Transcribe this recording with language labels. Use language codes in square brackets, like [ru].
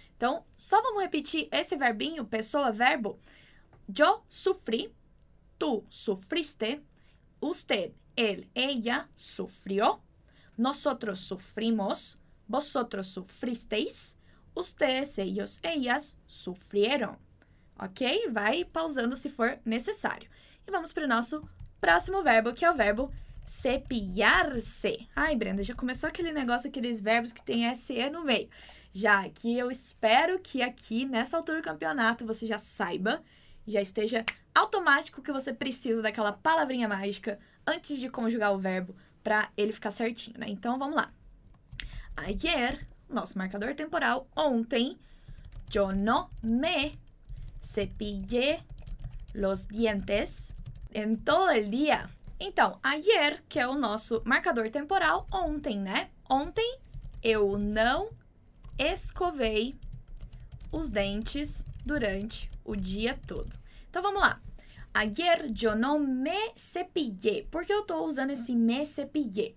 [pt] Então, só vamos repetir esse verbinho, pessoa, verbo. [es] Yo sufrí, tú sufriste, usted, él, ella sufrió, nosotros sufrimos, vosotros sufristeis, ustedes, ellos, ellas sufrieron. Ok? [pt] Vai pausando se for necessário. E vamos para o nosso próximo verbo, que é o verbo cepillarse. Ai, Brenda, já começou aquele negócio, aqueles verbos que tem SE no meio. Já que eu espero que aqui, nessa altura do campeonato, você já saiba, já esteja automático que você precisa daquela palavrinha mágica antes de conjugar o verbo para ele ficar certinho, né? Então, vamos lá. [es] Ayer, [pt] nosso marcador temporal, ontem, [es] yo no me cepillé los dientes en todo el día. [pt] Então, ayer, que é o nosso marcador temporal, ontem, né? Ontem, eu não escovei os dentes durante o dia todo. Então, vamos lá. [es] Ayer yo no me cepillé. [pt] Por que eu estou usando esse [es] me cepillé?